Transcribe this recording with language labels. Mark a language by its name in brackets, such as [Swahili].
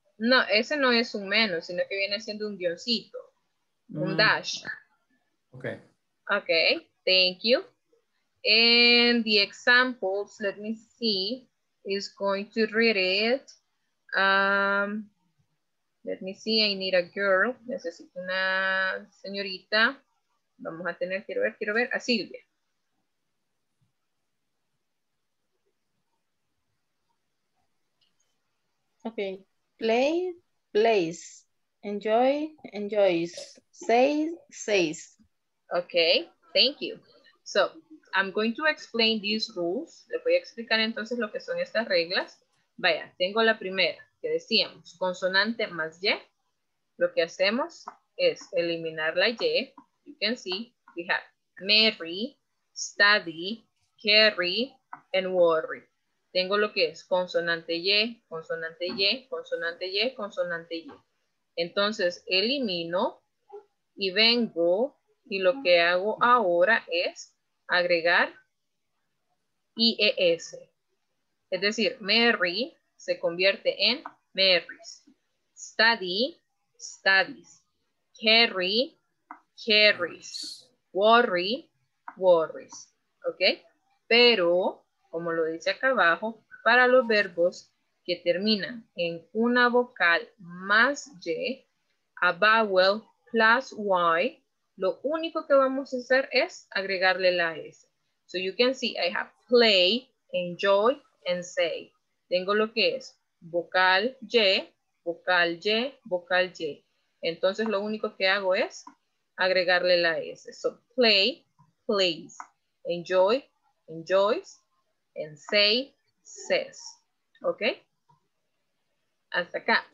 [Spanish] No, ese no es un menos, sino que viene siendo un guioncito, un dash. [English] Okay. Okay, thank you. And the examples, let me see, is going to read it. Let me see, I need a girl. [Spanish] Necesito una señorita. Vamos a tener, quiero ver, a Silvia. [English] Okay. Play, plays. Enjoy, enjoys. Say, says. Okay, thank you. So, I'm going to explain these rules. [Spanish] Le voy a explicar entonces lo que son estas reglas. Vaya, tengo la primera, que decíamos, consonante más Y. Lo que hacemos es eliminar la Y. [English] You can see, we have Mary, study, carry, and worry. [Spanish] Tengo lo que es consonante Y, consonante Y, consonante Y, consonante Y. Entonces, elimino y vengo y lo que hago ahora es agregar IES. Es decir, Mary se convierte en Mary's. [English] Study, studies. Carry, carries. Worry, worries. ¿Ok? [Spanish] Pero, como lo dice acá abajo, para los verbos que terminan en una vocal más Y, a vowel plus Y, lo único que vamos a hacer es agregarle la S. [English] So you can see I have play, enjoy, and say. [Spanish] Tengo lo que es vocal Y, vocal Y, vocal Y. Entonces lo único que hago es agregarle la S. [English] So play, plays. Enjoy, enjoys. And say, says. ¿Ok? Hasta acá.